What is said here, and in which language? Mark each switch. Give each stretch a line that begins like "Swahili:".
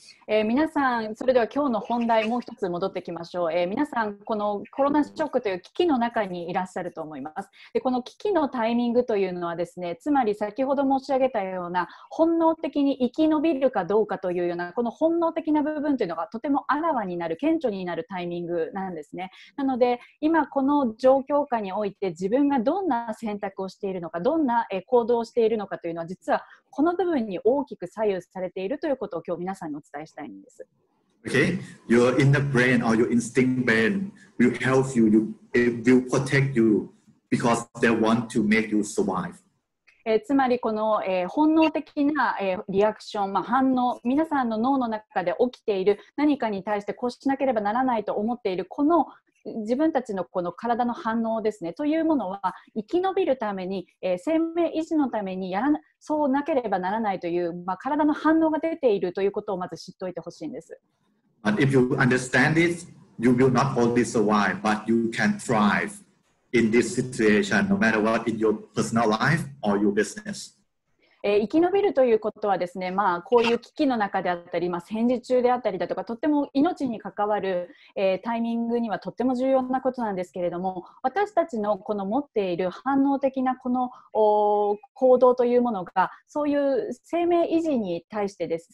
Japanese: 皆さん、それでは今日の本題、もう一つ戻ってきましょう。皆さん、このコロナショックという危機の中にいらっしゃると思います。で、この危機のタイミングというのはですね、つまり先ほど申し上げたような、本能的に生き延びるかどうかというような、この本能的な部分というのがとてもあらわになる、顕著になるタイミングなんですね。なので、今この状況下において、自分がどんな選択をしているのか、どんな行動をしているのかというのは、実はこの部分に大きく左右されているということを今日皆さんにお伝えしたいんです。
English: Okay, your inner brain or your instinct brain will help you, it will protect you because they want to make you survive.
Japanese: つまりこの、本能的な、リアクション、まあ、反応、皆さんの脳の中で起きている何かに対して、こうしなければならないと思っている、この自分たちのこの体の反応ですねというものは生き延びるために、生命維持のためにやらなそうなければならないという、まあ、体の反応が出ているということをまず知っておいてほしいんです。
English: And if you understand this, you will not only survive, but you can thrive in this situation, no matter what in your personal life or your business.
Japanese: 生き延びるということはですね、まあ、こういう危機の中であったり、まあ、戦時中であったりだとか、とっても命に関わる、タイミングにはとっても重要なことなんですけれども、私たちのこの持っている反応的なこの行動というものが、そういう生命維持に対してです。